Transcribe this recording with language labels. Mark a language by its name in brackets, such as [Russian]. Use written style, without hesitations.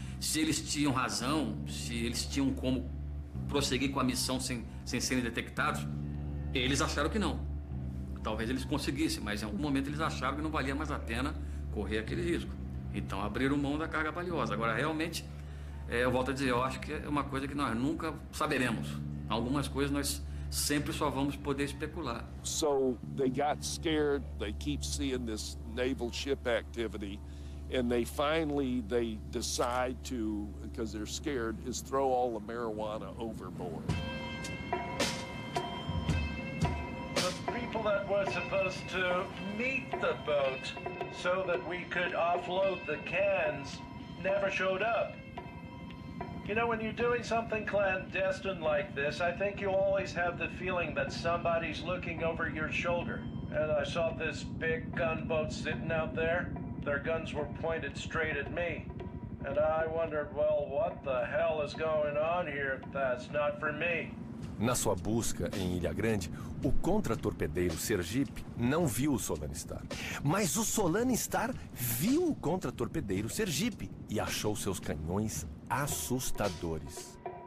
[Portuguese] Se eles tinham razão, se eles tinham como prosseguir com a missão sem serem detectados, eles acharam que não. Talvez eles conseguissem, mas em algum momento eles acharam que não valia mais a pena correr aquele risco. Então abriram mão da carga valiosa. Agora, realmente, eu volto a dizer, eu acho que é uma coisa que nós nunca saberemos. Algumas coisas nós sempre só vamos poder especular. [English] So they got scared, they keep seeing this naval ship activity, and they finally decide to, because they're scared, is throw all the marijuana overboard. The people that were supposed to meet the boat so that we could offload the cans never showed up. You know, when you're doing something clandestine like this, I think you always have the feeling that somebody's looking over your shoulder. And I saw this big gunboat sitting out there. Their guns were pointed straight at me. And I wondered, well, what the hell is going on here? That's not for me. [Portuguese] Na sua busca em Ilha Grande, o contra-torpedeiro Sergipe não viu o Solano Star. Mas o Solano Star viu o contra-torpedeiro Sergipe e achou seus canhões assustadores.